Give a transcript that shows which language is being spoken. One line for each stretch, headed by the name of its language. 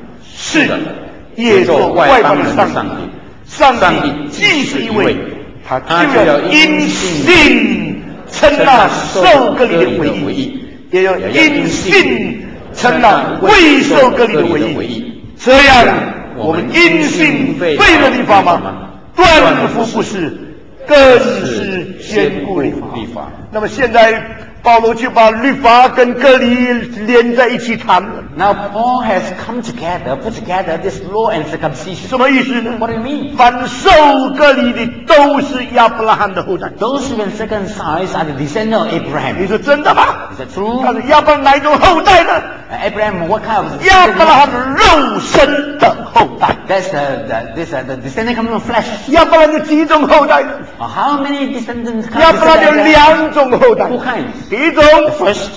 Chinese: 是的，也做外邦人的上帝。上帝既是一位，他就要因信称那受割礼的为义，也要因信称那未受割礼的为义。这样，我们因信废了律法吗？断乎不是。更是坚固律法。那么现在保罗就把律法跟割礼连在一起谈了。
English: Now Paul has come together, put together this law and circumcision.
Chinese: 什么意思呢？
English: What do you mean?
Chinese: 凡受割礼的都是亚伯拉罕的后代。
English: Those who are circumcised are the descendants of Abraham.
Chinese: 你说真的吗？
English: Is that true?
Chinese: 他是亚伯拉罕哪种后代呢？
English: Abraham, what kind of descendant?
Chinese: 亚伯拉罕肉身的后代。
English: That's the descendant coming from flesh.
Chinese: 亚伯拉罕有几种后代呢？
English: How many descendants?
Chinese: 亚伯拉罕有两种后代。
English: Two kinds.
Chinese: 第一种
English: first,